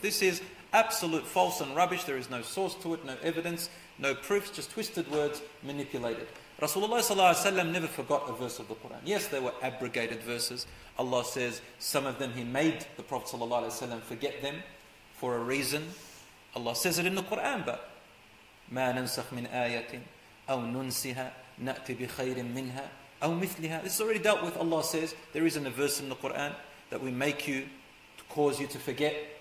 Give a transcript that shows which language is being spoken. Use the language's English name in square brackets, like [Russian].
[English] This is absolute false and rubbish. There is no source to it, no evidence, no proofs, just twisted words, manipulated. Rasulullah sallallahu alayhi wasallam never forgot a verse of the Quran. Yes, they were abrogated verses. Allah says, some of them he made the Prophet sallallahu alayhi wasallam forget them for a reason. Allah says it in the Quran, but [Arabic] مَا نَنْسَخْ مِنْ آيَةٍ أَوْ نُنْسِهَا نَأْتِ بِخَيْرٍ مِنْهَا أَوْ مِثْلِهَا. [English] This is already dealt with. Allah says, there isn't a verse in the Quran that we make you, to cause you to forget.